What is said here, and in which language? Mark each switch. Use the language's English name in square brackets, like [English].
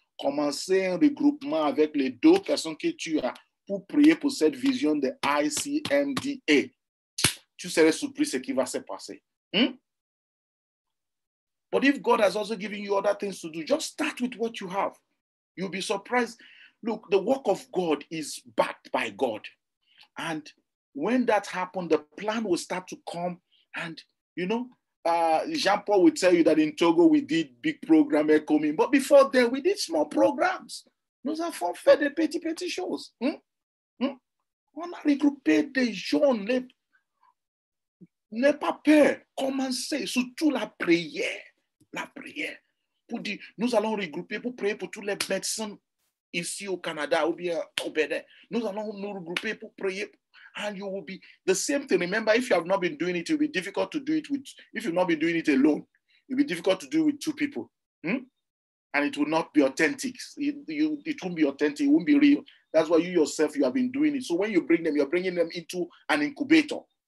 [French] Commencer un regroupement avec les deux personnes que tu as pour prier pour cette vision de ICMDA. Tu serais surpris ce qui va se passer. [English] But if God has also given you other things to do, just start with what you have. You'll be surprised. Look, the work of God is backed by God. And when that happens, the plan will start to come. And, you know, Jean-Paul will tell you that in Togo, we did big program coming. But before then, we did small programs. Those are for fed and petty shows. [French] On a regroupé des gens, n'aie pas peur. Commencez, surtout la prière. La prière. Pour dire, nous allons regrouper pour prier pour tous les médecins ici au Canada ou bien au Bénin. Nous allons nous regrouper pour prier. [English] And you will be the same thing. Remember, if you have not been doing it, it will be difficult to do it with, if you've not been doing it alone, it will be difficult to do it with two people. And it will not be authentic. It won't be authentic. It won't be real. That's why you yourself, you have been doing it. So when you bring them, you're bringing them into an incubator.